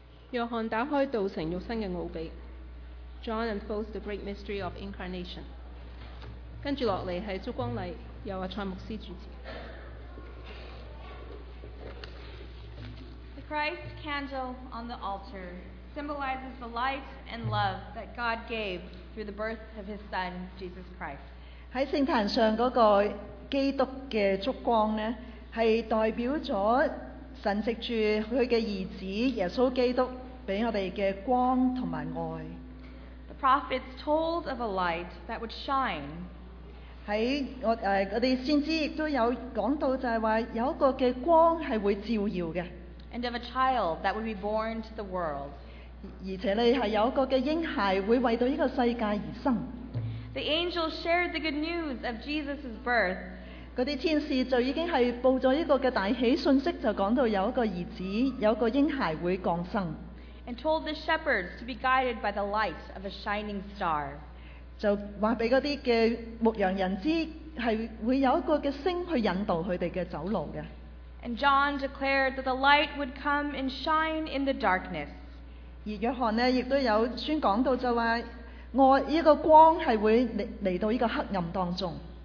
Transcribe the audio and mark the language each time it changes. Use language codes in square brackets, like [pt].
[zh] 約翰打開道成肉身的奧秘， [en] John unfolds the great mystery of incarnation。 [zh] 接著下來是燭光禮，由蔡牧師主持。 [en] The Christ candle on the altar symbolizes the light and love that God gave through the birth of His Son, Jesus Christ。 [zh] 在聖壇上的基督的燭光呢，是代表了神藉著祂的兒子耶穌基督给我们的光和爱。 [en] The prophets told of a light that would shine。 [zh] 我们先知也有讲到，就是说有一个光是会照耀的。 [en] And of a child that would be born to the world。 [zh] 而且你是有一个婴孩会为到这个世界而生。 [en] The angel shared the good news of Jesus' birth。 [zh] 那些天使就已经是报了一个大喜讯息，就讲到有一个儿子，有一个婴孩会降生。 [en] And told the shepherds to be guided by the light of a shining star。 [zh] 就告诉那些牧羊人知，是会有一个星去引导他们的走路的。 [en] And John declared that the light would come and shine in the darkness。 [zh] 而约翰呢，也有宣讲到，就说这个光是会来到这个黑暗当中。